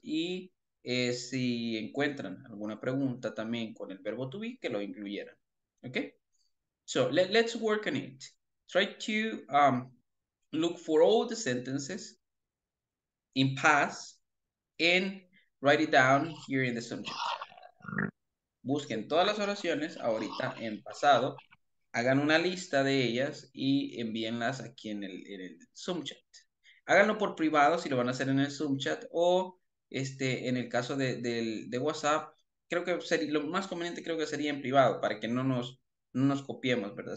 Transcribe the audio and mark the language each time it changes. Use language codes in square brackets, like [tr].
[es] Y si encuentran alguna pregunta también con el verbo to be, que lo incluyeran, ¿ok? [en] So let's work on it. Try to look for all the sentences in past and write it down here in the Zoom chat. [es] Busquen todas las oraciones ahorita en pasado, hagan una lista de ellas y envíenlas aquí en el Zoom chat. Háganlo por privado si lo van a hacer en el Zoom chat o este, en el caso de WhatsApp, creo que sería, lo más conveniente creo que sería en privado para que no nos, no nos copiemos, ¿verdad?